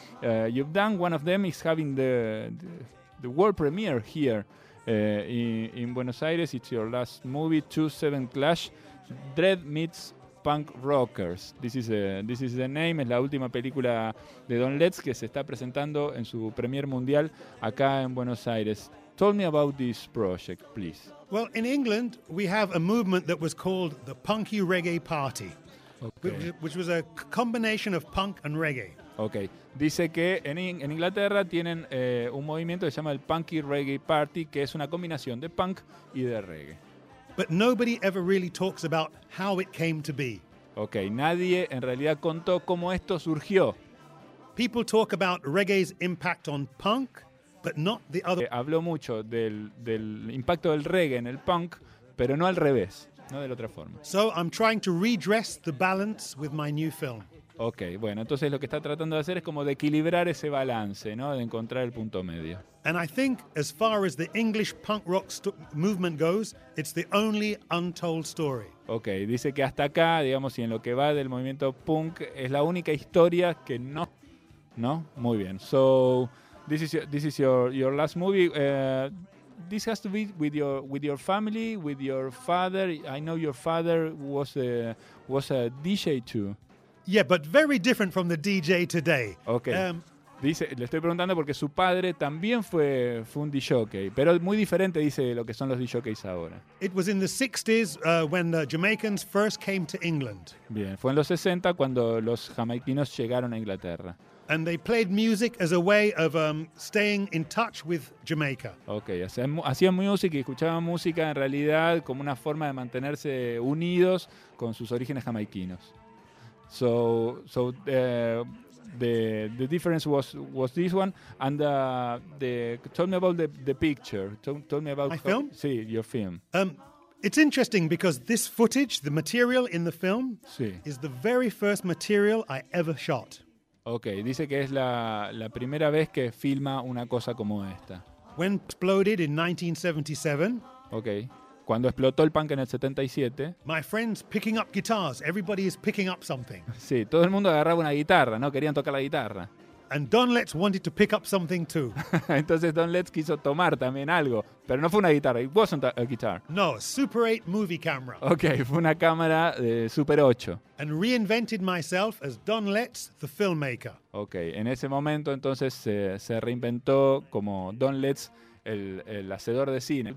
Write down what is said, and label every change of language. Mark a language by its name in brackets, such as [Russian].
[English] You've done, one of them is having the world premiere here in Buenos Aires. It's your last movie, 2-7 Clash, Dread Meets Punk Rockers. This is the name. [Spanish] Es la última película de Don Letts que se está presentando en su premier mundial acá en Buenos Aires. [English] Tell me about this project, please. Well, in England, we have a movement that was called the Punky Reggae Party, okay, which was a combination of punk and reggae. Okay. [Spanish] Dice que en Inglaterra tienen un movimiento que se llama el Punky Reggae Party, que es una combinación de punk y de reggae. [English] But nobody ever really talks about how it came to be. [Spanish] Okay, nadie en realidad contó cómo esto surgió. [English] People talk about reggae's impact on punk, but not the other. [Spanish] Habló mucho del impacto del reggae en el punk, pero no al revés, no de la otra forma. [English] So I'm trying to redress the balance with my new film. [Spanish] Okay, bueno, entonces lo que está tratando de hacer es como de equilibrar ese balance, ¿no? De encontrar el punto medio. [English] And I think as far as the English punk rock movement goes, it's the only untold story. [Spanish] Okay, dice que hasta acá, digamos, y en lo que va del movimiento punk, es la única historia que no, ¿no? Muy bien. [English] So, this is your last movie. This has to be with your family, with your father. I know your father was a DJ too. Yeah, but very different from the DJ today. Okay. [Spanish] Dice, le estoy preguntando porque su padre también fue un DJ, pero muy diferente, dice, de lo que son los DJs ahora. [English] It was in the 60s when the Jamaicans first came to England. [Spanish] Bien, fue en los 60 cuando los jamaicanos llegaron a Inglaterra. [English] And they played music as a way of staying in touch with Jamaica. [Spanish] Okay, hacían música y escuchaban música en realidad como una forma de mantenerse unidos con sus orígenes jamaicanos. [English] So the difference was this one, and tell me about the picture. Tell me about my film. See, sí, your film. It's interesting because this footage, the material in the film, [Spanish] sí, [English] is the very first material I ever shot. [Spanish] Okay, dice que es la primera vez que filma una cosa como esta. [English] When exploded in 1977. [Spanish] Okay. Cuando explotó el punk en el 77. [English] My friends picking up guitars. Everybody is picking up something. [Spanish] Sí, todo el mundo agarraba una guitarra, ¿no? Querían tocar la guitarra. [English] And Don Letts wanted to pick up something too. [Spanish] Entonces Don Letts quiso tomar también algo, pero no fue una guitarra. [English] It wasn't a guitar. No, a Super 8 movie camera. [Spanish] Okay, fue una cámara de Super 8. [English] And reinvented myself as Don Letts, the filmmaker. [Spanish] Okay, en ese momento entonces se reinventó como Don Letts, el hacedor de cine.